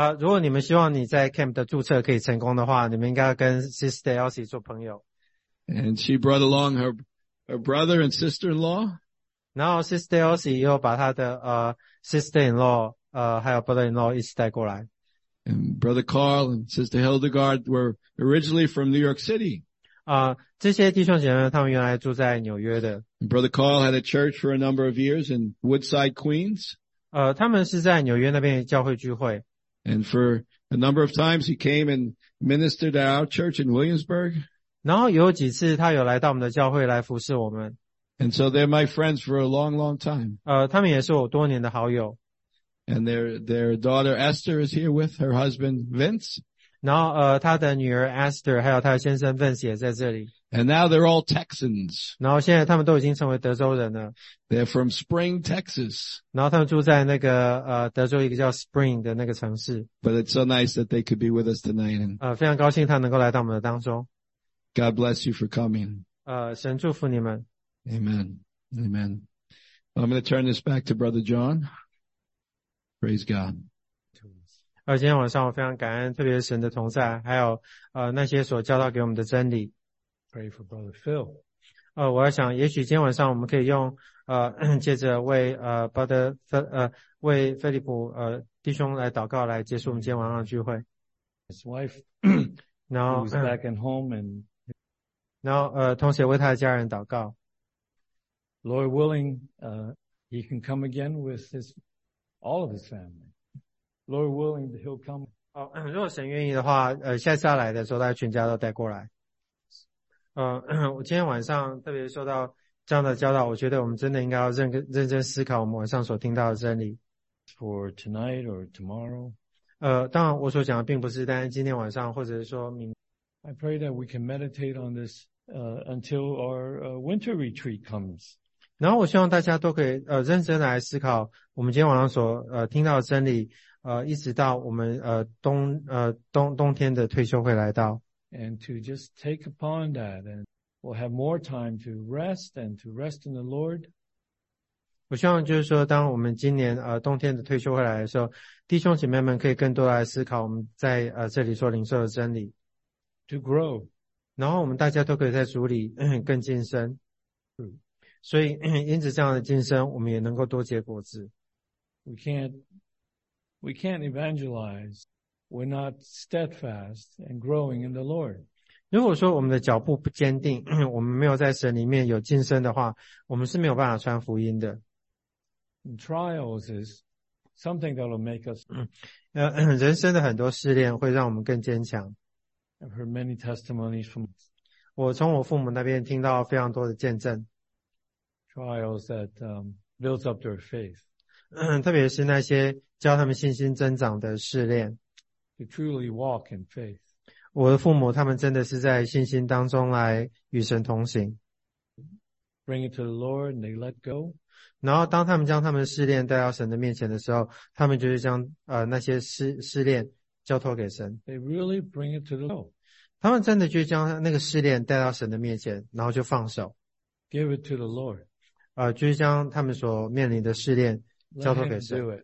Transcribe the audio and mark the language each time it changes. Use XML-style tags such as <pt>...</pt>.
<zh>如果你们希望你在 camp 的注册可以成功的话，你们应该要跟 Sister Elsie 做朋友。</zh> <en>And she brought along her brother and sister-in-law.</en> <zh>然后 Sister Elsie 又把她的sister-in-law 还有 brother-in-law 一起带过来。</zh> <en>And Brother Carl and Sister Hildegard were originally from New York City.</en> <zh>这些弟兄姐妹他们原来住在纽约的。</zh> <en>And Brother Carl had a church for a number of years in Woodside, Queens.</en> <zh>他们是在纽约那边教会聚会。</zh> <en>And for a number of times he came and ministered at our church in Williamsburg.</en> <zh>然后有几次他有来到我们的教会来服侍我们。</zh> <en>And so they're my friends for a long, long time.</en> <zh>他们也是我多年的好友。</zh> <en>And their daughter Esther is here with her husband Vince.</en> <zh>然后他的女儿 Esther 还有他的先生 Vince 也在这里。</zh> <en>And now they're all Texans.</en> <zh>然后现在他们都已经成为德州人了。</zh> <en>They're from Spring, Texas.</en> <zh>然后他们住在那个德州一个叫 Spring 的那个城市。</zh> <en>But it's so nice that they could be with us tonight.</en> <zh>非常高兴他能够来到我们的当中。</zh> <en>God bless you for coming.</en> <zh>神祝福你们。</zh> <en>Amen. Amen. Well, I'm going to turn this back to Brother John. Praise God.</en> <zh>今天晚上我非常感恩特别神的同在还有那些所教导给我们的真理。</zh> <en>Pray for Brother Phil.</en> <zh>我要想也许今天晚上我们可以用接着为Brother Phil, 为菲利普弟兄来祷告来结束我们今天晚上的聚会。</zh> <en>His wife,</en> <zh>然后</zh> <en>who's back at home and...</en> <zh>然后同时为他的家人祷告。</zh> <en>Lord willing, he can come again with all of his family. Lord willing, he'll come.</en> <zh>如果神愿意的话，下次要来的时候，他全家都带过来。我今天晚上特别受到这样的教导，我觉得我们真的应该要认真思考我们晚上所听到的真理。</zh> <en>for tonight or tomorrow.</en> <zh>当然我所讲的并不是单今天晚上或者是说明。</zh> <en>I pray that we can meditate on this, until our, winter retreat comes.</en> <zh>然后我希望大家都可以认真来思考我们今天晚上所听到的真理一直到我们冬天的退休会来到。</zh> <en>And to just take upon that, and we'll have more time to rest and to rest in the Lord.</en> <zh>我希望就是说当我们今年冬天的退休会来的时候弟兄姐妹们可以更多来思考我们在这里所领受的真理。</zh> <en>To grow.</en> <zh>然后我们大家都可以在主里更进深。所以因此这样的进深我们也能够多结果子。</zh> <en>We can't evangelize. We're not steadfast and growing in the Lord.</en> <zh>如果说我们的脚步不坚定我们没有在神里面有进深的话我们是没有办法传福音的。</zh> <en>And trials is something that will make us.</en> <zh>人生的很多试炼会让我们更坚强。</zh> <en>I've heard many testimonies from.</en> <zh>我从我父母那边听到非常多的见证。</zh> <en>Trials that, builds up their faith.</en> <zh>特别是那些教他们信心增长的试炼。</zh> <en>To truly walk in faith.</en> <zh>我的父母他们真的是在信心当中来与神同行。</zh> <en>Bring it to the Lord and they let go.</en> <zh>然后当他们将他们的试炼带到神的面前的时候他们就是将那些试炼交托给神。</zh> <en>They really bring it to the Lord.</en> <zh>他们真的就将那个试炼带到神的面前然后就放手。</zh> <en>Give it to the Lord.</en> <zh>就是将他们所面临的试炼交托给神。</zh>